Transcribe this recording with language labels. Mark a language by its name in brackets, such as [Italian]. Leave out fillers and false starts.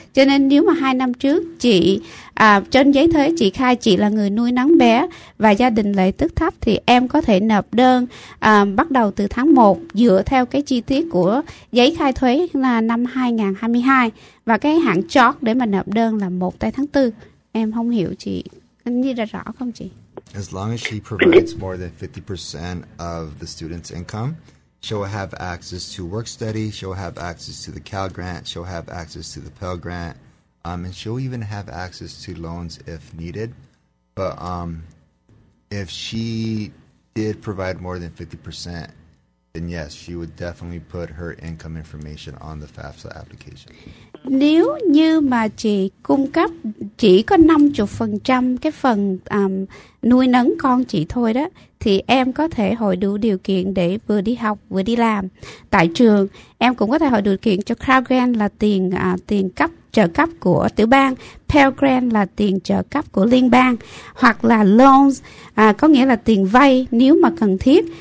[Vietnamese] Cho nên nếu mà 2 năm trước chị trên giấy thuế chị khai chị là người nuôi nấng bé và gia đình lợi tức thấp, thì em có thể nộp đơn bắt đầu từ tháng 1 dựa theo cái chi tiết của giấy khai thuế là năm 2022, và cái hạn chót để mà nộp đơn là 1 tây tháng 4. Em không hiểu chị, anh ghi ra rõ không chị? [English] As long as she provides more than 50% of the student's income, she'll have access to work study, she'll have access to the Cal Grant, she'll have access to the Pell Grant, and she'll even have access to loans if needed. But if she did provide more than 50%, Then yes, she would definitely put her income information on the FAFSA application. [Vietnamese] Nếu như mà chị cung cấp chỉ có 50% cái phần nuôi nấng con chị thôi đó, thì em có thể hội đủ điều kiện để vừa đi học vừa đi làm tại trường. Em cũng có thể hội đủ điều kiện cho Crown Grant là tiền tiền cấp trợ cấp của tiểu bang, Pell Grant là tiền trợ cấp của liên bang, hoặc là loans có nghĩa là tiền vay nếu mà cần thiết.